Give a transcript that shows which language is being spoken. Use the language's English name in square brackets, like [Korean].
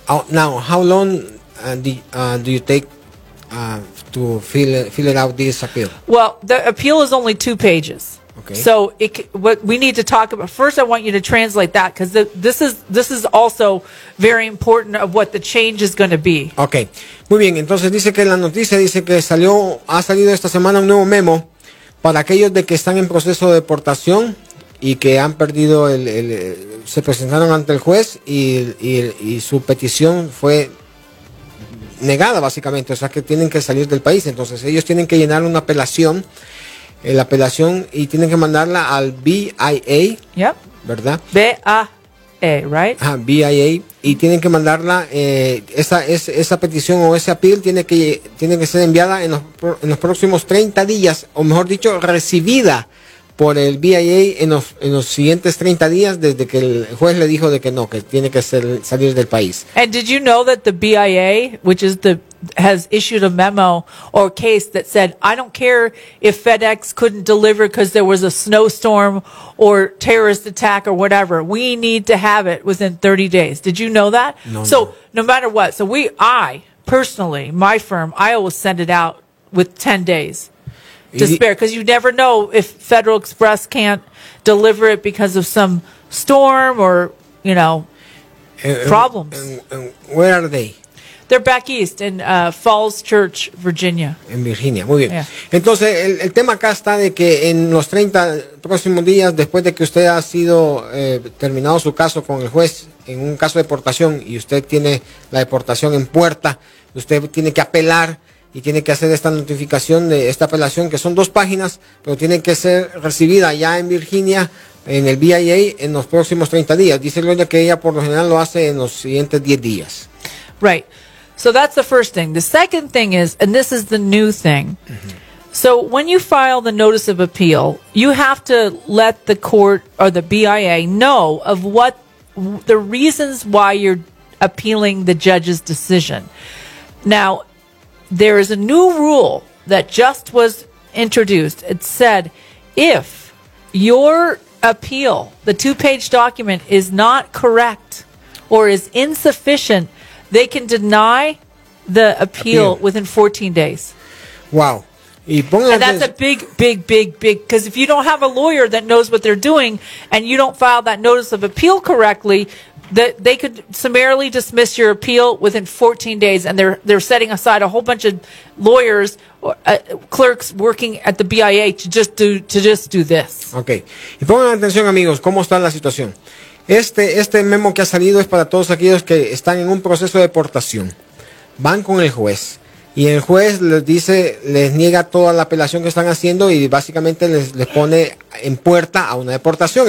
[English] Now, how long do you take to fill out this appeal? Well, the appeal is only 2 pages. Okay. So what we need to talk about, first I want you to translate that, because this is also very important of what the change is going to be. [Spanish] Okay. Muy bien. Entonces dice que la noticia dice que ha salido esta semana un nuevo memo para aquellos de que están en proceso de deportación y que han perdido se presentaron ante el juez y su petición fue negada, básicamente. O sea, que tienen que salir del país. Entonces ellos tienen que llenar una apelación. La apelación, y tienen que mandarla al BIA. [English] Yep. [Spanish] ¿Verdad? [English] BIA, right? [Spanish] Ajá, BIA. Y tienen que mandarla, esa petición o ese appeal tiene que ser enviada en los próximos 30 días, o mejor dicho, recibida por el BIA en los siguientes 30 días desde que el juez le dijo de que no, que tiene que salir del país. [English] And did you know that the BIA, which is has issued a memo or case that said, I don't care if FedEx couldn't deliver because there was a snowstorm or terrorist attack or whatever, we need to have it within 30 days. Did you know that? No. So no matter what, so I personally, my firm, I always send it out with 10 days. Despair, because you never know if Federal Express can't deliver it because of some storm or, you know, problems. And where are they? They're back east in Falls Church, Virginia. [Spanish] En Virginia, muy bien. Yeah. Entonces, el tema acá está de que en los 30 próximos días, después de que usted ha sido terminado su caso con el juez en un caso de deportación y usted tiene la deportación en puerta, usted tiene que apelar. Y tiene que hacer esta notificación de esta apelación, que son 2 páginas, pero tiene que ser recibida ya en Virginia, en el BIA, en los próximos 30 días. Dice Gloria que ella por lo general lo hace en los siguientes 10 días. [English] Right. So that's the first thing. The second thing is, and this is the new thing. Mm-hmm. So when you file the notice of appeal, you have to let the court or the BIA know of what the reasons why you're appealing the judge's decision. Now, there is a new rule that just was introduced. It said if your appeal, the 2-page document, is not correct or is insufficient, they can deny the appeal. Within 14 days. Wow. And that's a big, big, big, big, because if you don't have a lawyer that knows what they're doing and you don't file that notice of appeal correctly, that they could summarily dismiss your appeal within 14 days, and they're setting aside a whole bunch of lawyers or clerks working at the BIA to just do this. Okay. [Spanish] Y pongan atención, amigos, ¿cómo está la situación? Este memo que ha salido es para todos aquellos que están en un proceso de deportación. Van con el juez y el juez les dice, les niega toda la apelación que están haciendo y básicamente les pone en puerta a una deportación.